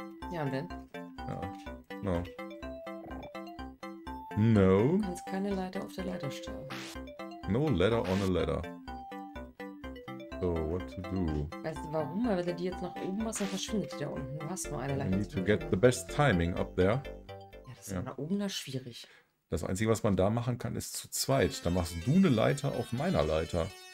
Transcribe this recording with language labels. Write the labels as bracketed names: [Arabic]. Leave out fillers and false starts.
[German] Ja, und dann? [English] Ja. No. No. [German] Du kannst keine Leiter auf der Leiter stellen. [English] No ladder on a ladder. So, what to do? [German] Weißt du warum? Weil wenn du die jetzt nach oben machst, dann verschwindet die da unten. Du hast nur eine Leiter. [English] You need to get the best timing up there. [German] Ja, das ist ja nach oben da schwierig. Das Einzige, was man da machen kann, ist zu zweit. Da machst du eine Leiter auf meiner Leiter.